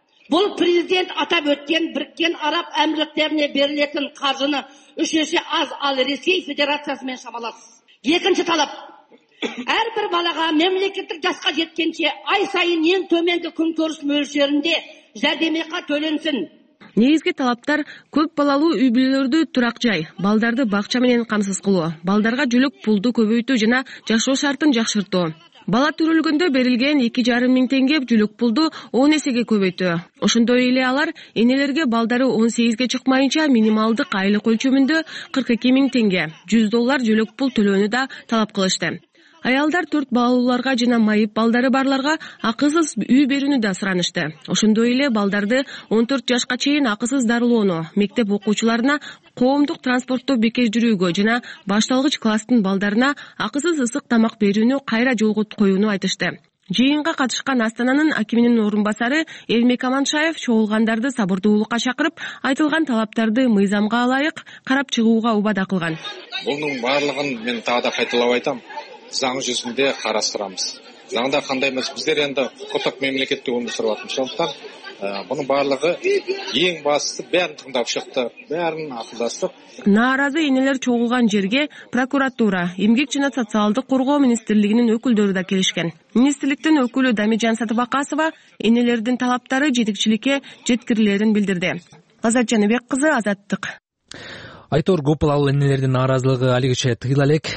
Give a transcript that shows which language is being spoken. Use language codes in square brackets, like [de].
[kk] Бұл президент атап өткен Біріккен Араб Әмірліктеріне берілетін қаржыны үш есе аз, ал Ресей Федерациясымен шамалас. Екінші талап. Әрбір балаға мемлекеттік жасқа жеткенше ай сайын ең төменгі күнкөріс мөлшерінде жәрдемақы төленсін. [ky] Негизги талаптар көп балалуу үй бүлөлөрдү турак жай, балдарды бакча менен камсыз кылуу, балдарга жүлүк пулду көбөйтүү жана жашоо шартын жакшыртуу. Бала төрөлгөндө берилген 2,5 000 теңге жүлүк пулду 10 эсеге көбөйтүү. Ошондой эле алар энелерге балдары 18 чыкмайынча минималдык айлык өлчөмүндө 42 000 теңге, $100 жүлүк пул төлөөнү да талап кылышты. Аялдар 4 балууларга жана майып балдары барларга акысыз үй берүүнү да суранышты. Ошондой эле балдарды 14 жашка чейин акысыз дарылоону, мектеп окуучуларына коомдук транспортто бекешдирүүгө жана башталгыч класстын балдарына акысыз ысык тамак берүүнү кайра жолго коюуну айтышты. Жыйынга катышкан Астананын акиминин орун басары Эрмек Аманшаев чогулгандарды сабырдуулукка чакырып, айтылган талаптарды мыйзамга ылайык карап чыгууга убада кылган. Бунун баарлыгын мен тагы да кайталап айтам. [kk] Заң жүзінде қарастырамыз. Заңда қандаймыз, біздер енді құқықтық мемлекетте өмір сүріп жатырмыз. Сондықтан бұның барлығы ең бастысы бәрін тыңдап шықты, бәрін ақылдастық. [ky] Наразы енелер чогулган жерге прокуратура, эмгек жана социалдык коргоо министрлигинин өкүлдөрү да келишкен. Министрликтин өкүлү Дамижан Сатыбакасова энелердин талаптары жетекчиликке жеткирилерин билдирди. Азат Жанбек кызы, Азаттык. Айтор көп балалуу энелердин нааразылыгы алигиче тыйыла элек.